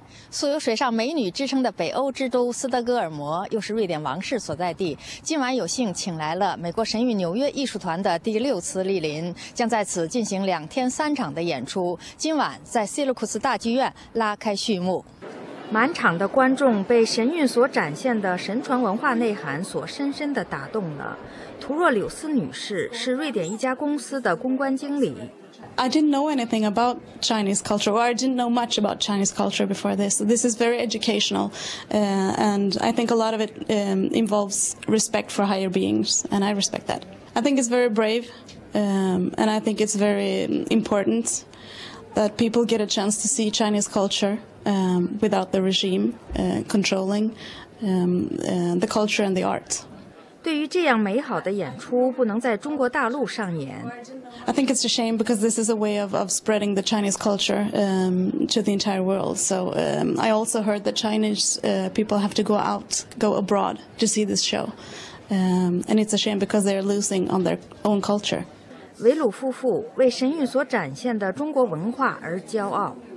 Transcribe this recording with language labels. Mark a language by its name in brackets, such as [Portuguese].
[Chinese] 素有水上美女之称的北欧之都斯德哥尔摩，又是瑞典王室所在地，今晚有幸请来了美国神韵纽约艺术团的第六次莅临，将在此进行两天三场的演出，今晚在西勒库斯大剧院拉开序幕。满场的观众被神韵所展现的神传文化内涵所深深地打动了。图若柳斯女士是瑞典一家公司的公关经理。 [English] I didn't know anything about Chinese culture, or I didn't know much about Chinese culture before this. This is very educational, and I think a lot of it involves respect for higher beings, and I respect that. I think it's very brave, and I think it's very important that people get a chance to see Chinese culture. Without the regime controlling the culture and the art. [Chinese] 对于这样美好的演出不能在中国大陆上演 [English] I think it's a shame because this is a way of spreading the Chinese culture to the entire world. So I also heard that Chinese people have to go abroad to see this show. And it's a shame because they're losing on their own culture. [Chinese] 维鲁夫妇为神韵所展现的中国文化而骄傲。